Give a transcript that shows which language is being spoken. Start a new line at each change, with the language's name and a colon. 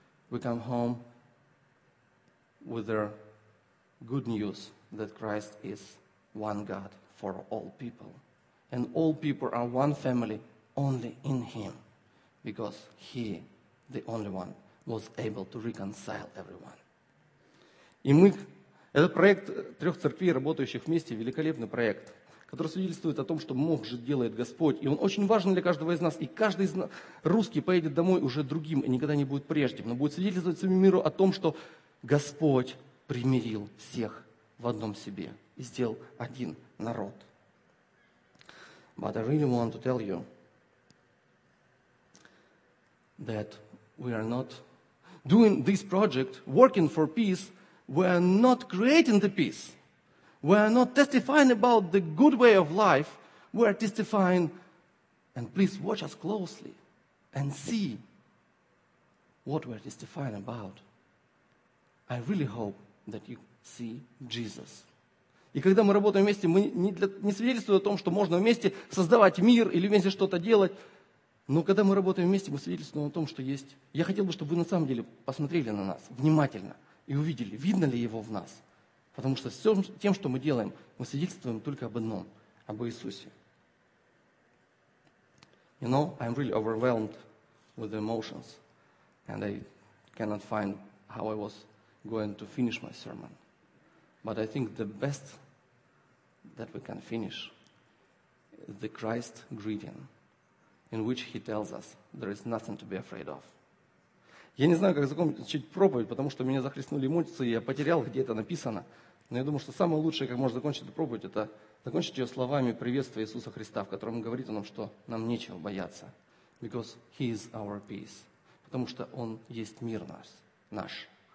English: We come home with their good news that Christ is one God for all people. And all people are one family only in Him, because He, the only one, was able to reconcile everyone.
Russian: И мы, этот проект трех церквей, работающих вместе, великолепный проект, который свидетельствует о том, что мог же делает Господь. И он очень важен для каждого из нас. И каждый из нас, русский, поедет домой уже другим и никогда не будет прежним. Но будет свидетельствовать всему миру о том, что Господь примирил всех в одном себе и сделал один народ.
English: But I really want to tell you that we are not doing this project, working for peace, we are not creating the peace. We are not testifying about the good way of life. We are testifying, and please watch us closely and see what we are testifying about. I really hope that you see Jesus.
Russian: И когда мы работаем вместе, мы не свидетельствуем о том, что можно вместе создавать мир или вместе что-то делать. Но когда мы работаем вместе, мы свидетельствуем о том, что есть. Я хотел бы, чтобы вы на самом деле посмотрели на нас внимательно и увидели, видно ли его в нас. Потому что всем тем, что мы делаем, мы свидетельствуем только об одном, об Иисусе.
English: You know, I'm really overwhelmed with the emotions. And I cannot find how I was going to finish my sermon. But I think the best that we can finish is the Christ greeting, in which he tells us there is nothing to be afraid of.
Russian: Я не знаю, как закончить проповедь, потому что меня захлестнули эмоции, я потерял, где это написано. Но я думаю, что самое лучшее, как можно закончить проповедь, это закончить ее словами приветствия Иисуса Христа, в котором говорит о том, что нам нечего бояться.
English: Because he is our peace.
Russian: Потому что он есть мир наш.